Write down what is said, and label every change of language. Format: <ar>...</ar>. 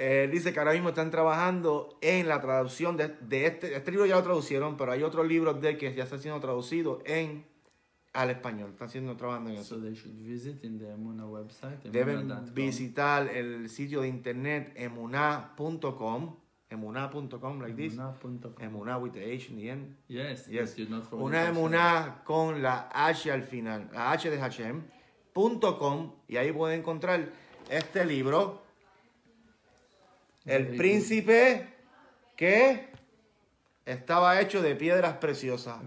<es>dice que ahora mismo están trabajando en la traducción de este libro. Ya lo traducieron, pero hay otro libro de que ya está siendo traducido en al español. Están trabajando en eso.</es> <en>So they should visit in the Emuna website,</en> <es>deben visitar el sitio de internet emuna.com.</es> <en>Emuna.com, like this. Emuna with the H in the end. Yes. But you're not from</en> <es>una Emuna con la H al final. La H de Hashem. .com. Y ahí pueden encontrar este libro. El Príncipe que estaba hecho de piedras preciosas.</es>